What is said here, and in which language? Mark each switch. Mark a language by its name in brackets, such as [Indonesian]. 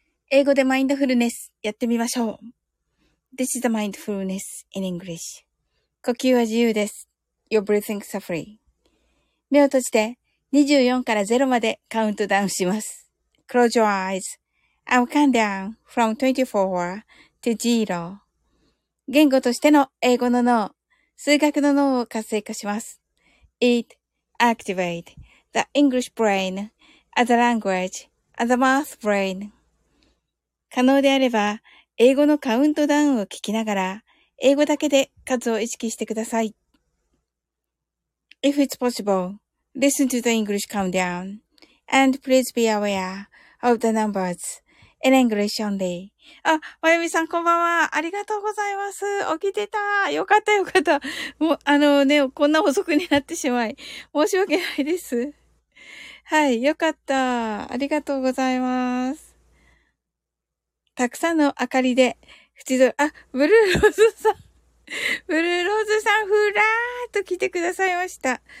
[Japanese] 英語でマインドフルネスやってみましょう。 [English] This is the mindfulness in English. [Japanese] 呼吸は自由です。 [English] Your breathing is free. [Japanese] 目を閉じて24から0までカウントダウンします。 [English] Close your eyes. I'll count down from 24 to 0. [Japanese] 言語としての英語の脳、数学の脳を活性化します。 [English] It activate the English brain. As a language, as a math brain. [Japanese] 可能であれば、英語のカウントダウンを聞きながら、英語だけで数を意識してください。 [English] If it's possible, listen to the English countdown. And please be aware of the numbers in English only. [Japanese] あ、まゆみさん、こんばんは。ありがとうございます。起きてた。よかった、よかった。もう、ね、こんな遅くになってしまい、申し訳ないです。はい、よかった。ありがとうございます。たくさんの明かりで、縁取り、あ、ブルーローズさん、ブルーローズさん、ふらーっと来てくださいました。